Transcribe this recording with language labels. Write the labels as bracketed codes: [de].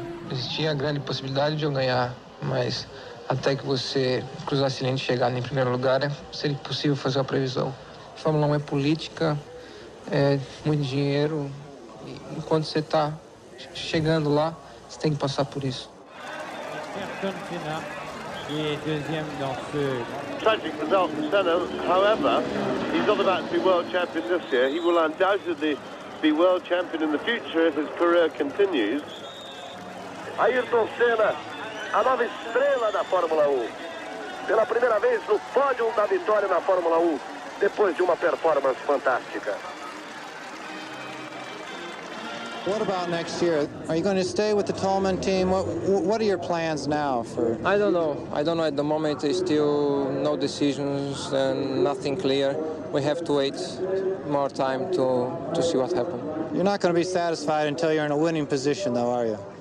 [pt] Existia a grande possibilidade de eu ganhar, mas até que você cruzasse a linha de chegada em primeiro lugar, seria impossível fazer uma previsão. Fórmula 1 é política, é muito dinheiro, e enquanto você está chegando lá, você tem que passar por isso. Ayrton Senna, que é o segundo nesse... [en] Tragic result for Senna, however, he's not about to be world champion this year. He will undoubtedly be world champion in the future if his career continues. [pt] Ayrton Senna, a nova estrela da Fórmula 1. Pela primeira vez no pódio da vitória na Fórmula 1, depois de uma performance fantástica. [en] What about next year? Are you going to stay with the Tolman team? What are your plans now for... I don't know. At the moment, there's still no decisions and nothing clear. We have to wait more time to see what happens. You're not going to be satisfied until you're in a winning position, though, are you?